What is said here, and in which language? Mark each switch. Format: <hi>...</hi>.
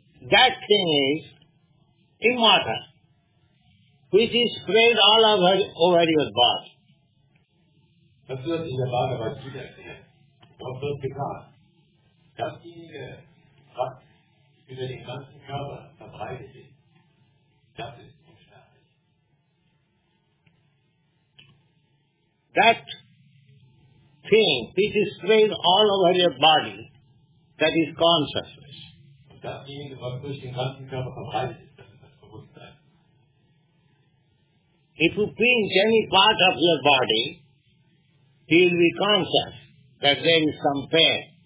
<en>That thing is immortal, which is spread all over your body.</en> <de>Das wird in der Bhagavad Gita erklärt. Dort wird bekannt, dasjenige, was über den ganzen Körper verbreitet ist, das ist unsterblich.</de> <en>That thing, which is spread all over your body, that is consciousness.</en> <de>Und dasjenige, was durch den ganzen Körper verbreitet ist, das ist das Bewusstsein.</de> <en>If you pinch any part of your body, he will be conscious that there is some pain.</en>